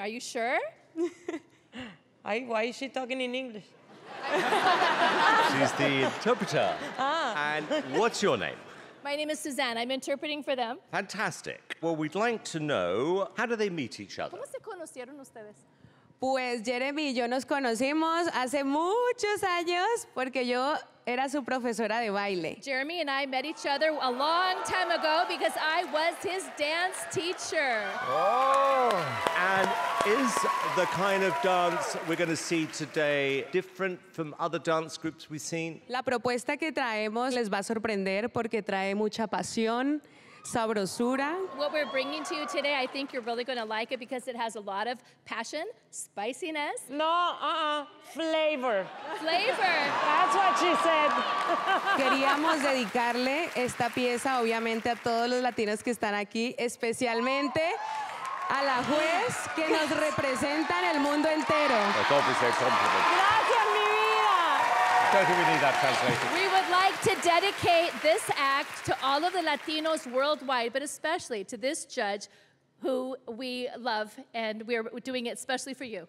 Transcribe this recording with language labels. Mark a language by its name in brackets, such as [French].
[English] Are you sure? Ay, why is she talking in English? She's the interpreter. Ah. And what's your name? My name is Suzanne. I'm interpreting for them. Fantastic. Well, we'd like to know, how do they meet each other? [Spanish] ¿Cómo se conocieron ustedes? Pues Jeremy y yo nos conocimos hace muchos años porque yo era su profesora de baile. [English] Jeremy and I met each other a long time ago because I was his dance teacher. Oh! And is the kind of dance we're going to see today different from other dance groups we've seen? [Spanish] La propuesta que traemos les va a sorprender porque trae mucha pasión, sabrosura. [English] What we're bringing to you today, I think you're really going to like it because it has a lot of passion, spiciness. Flavor. Flavor. That's what she said. [Spanish] Queríamos dedicarle esta pieza, obviamente, a todos los latinos que están aquí, especialmente a la juez que nos representa en el mundo entero. [English] That's obviously a compliment. [Spanish] Gracias, mi vida. [English] I don't think we need that translation. We would like to dedicate this act to all of the Latinos worldwide, but especially to this judge who we love, and we're doing it especially for you.